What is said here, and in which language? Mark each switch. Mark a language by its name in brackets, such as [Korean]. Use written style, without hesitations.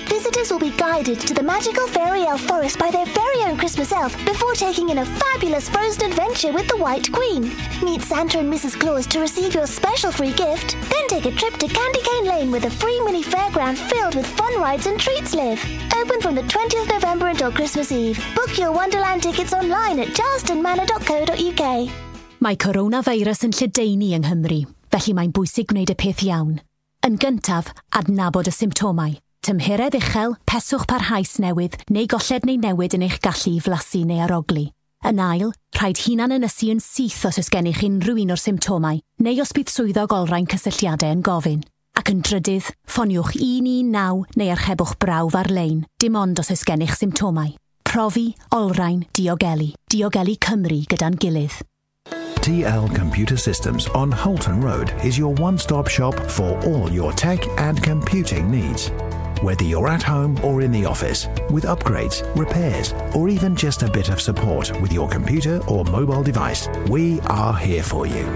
[English] Visitors will be guided to the magical fairy elf forest by their very own Christmas elf before taking in a fabulous frozen adventure with the White Queen. Meet Santa and Mrs. Claus to receive your special free gift, then take a trip to Candy Cane Lane where the free mini fairground filled with fun rides and treats live. Open from the 20th November until Christmas Eve. Book your Wonderland tickets online at charlestonmanor.co.uk. [Welsh] Mae coronavirus yn Llydeini yng Nghymru. Felly mae'n bwysig gwneud y peth iawn. Yn gyntaf, adnabod y symptomau. Tymheredd uchel, peswch parhaus newydd neu golled neu newid yn eich gallu i flasu neu arogli. Yn ail, rhaid hunan ynysu yn syth os oes gennych unrhyw un o'r symptomau neu os bydd swyddog olrhain cysylltiadau yn gofyn. Ac yn drydydd, ffoniwch 119 neu archebwch brawf ar-lein, dim ond os oes gennych symptomau. Profi, olrhain, diogelu. Diogelu Cymru gyda'n gilydd. [English] TL Computer Systems on Halton Road is your one-stop shop for all your tech and computing needs. Whether you're at home or in the office, with upgrades, repairs, or even just a bit of support with your computer or mobile device, we are here for you.